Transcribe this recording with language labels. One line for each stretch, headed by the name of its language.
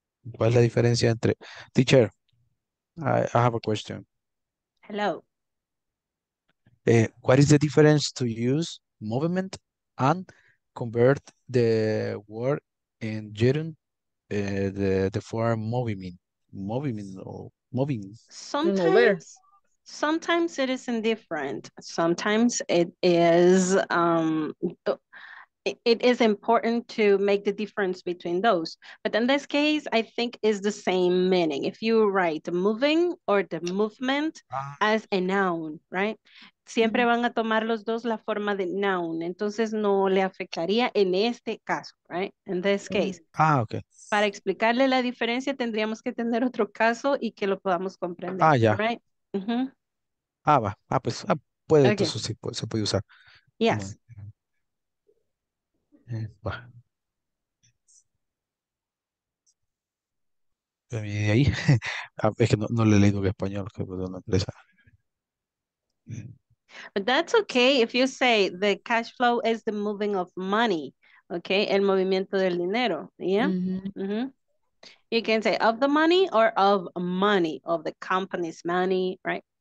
Spanish: ¿Cuál es la diferencia entre...
English: Teacher, I have a question. Hello. What is the difference to use movement and convert the word in gerund, the form moving? Sometimes it is indifferent. Sometimes it is it is important to make the difference between those. But in this case, I think is the same meaning. If you write moving or the movement as a noun, right?
Spanish: Siempre van a tomar los dos la forma de noun. Entonces no le afectaría en este caso, right?
English: In this case. Ah, okay.
Spanish: Para explicarle la diferencia, tendríamos que tener otro caso y que lo podamos comprender. Ah, ya. Yeah. Right? Uh-huh. Ah, va. Ah, pues ah, puede, okay. Entonces sí, puede, se puede usar. Yes. Como... Bueno. Ahí. Es que no le he leído en español, que es una empresa.
English: But that's okay if you say the cash flow is the moving of money, okay?
Spanish: El movimiento del dinero,
English: yeah? Mm-hmm. Mm-hmm. You can say of the money or of money, of the company's money, right?